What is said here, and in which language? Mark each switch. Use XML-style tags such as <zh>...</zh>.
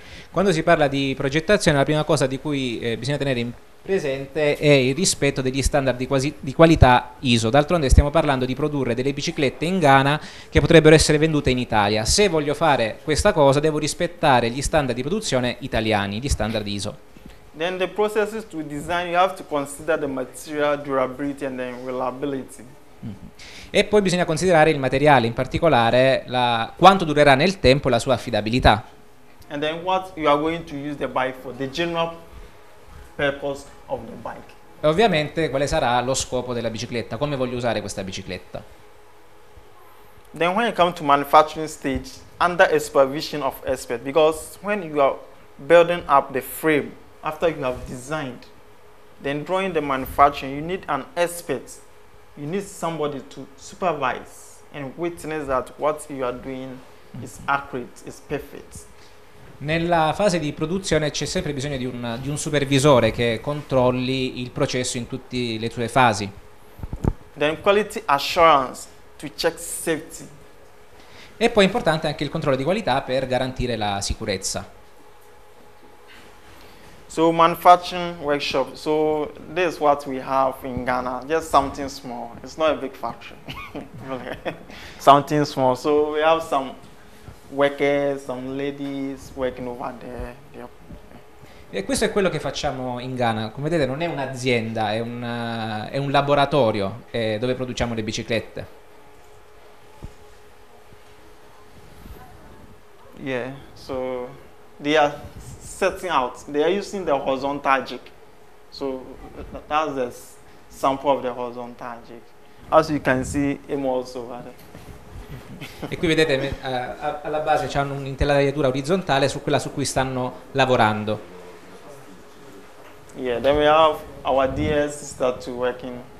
<it>Quando si parla di progettazione, la prima cosa di cui bisogna tenere presente è il rispetto degli standard di qualità ISO. D'altronde stiamo parlando di produrre delle biciclette in Ghana che potrebbero essere vendute in Italia. Se voglio fare questa cosa, devo rispettare gli standard di produzione italiani, gli standard ISO.</it> <en>Then the processes to design, you have to consider the material durability and then reliability.</en> <it>E poi bisogna considerare il materiale, in particolare quanto durerà nel tempo e la sua affidabilità.</it> <en>And then what you are going to use the bike for, the general purpose of the bike.</en> <it>E ovviamente quale sarà lo scopo della bicicletta, come voglio usare questa bicicletta.</it> <en>Then when you come to manufacturing stage under a supervision of expert, because when you are building up the frame after you have designed, then drawing the manufacturing, you need an expert. You need somebody to supervise and witness that what you are doing is accurate, is perfect.</en> <it>Nella fase di produzione c'è sempre bisogno di un supervisore che controlli il processo in tutte le sue fasi.</it> <en>Then quality assurance to check safety.</en> <it>E poi è importante anche il controllo di qualità per garantire la sicurezza.</it> <en>So manufacturing workshop. So this is what we have in Ghana. Just something small. It's not a big factory. Something small. So we have some workers, some ladies working over there. Yep.</en> <it>E questo è quello che facciamo in Ghana. Come vedete, non è un'azienda, è un laboratorio dove produciamo le biciclette.</it> <en>Yeah. So they are setting out. They are using the horizontal jig. So that's the sample of the horizontal jig. As you can see, him also.</en> <it>E qui vedete alla base c'hanno un'intelaiatura orizzontale su quella su cui stanno lavorando.</it> <en>Yeah, then we have our dear sister to working.</en>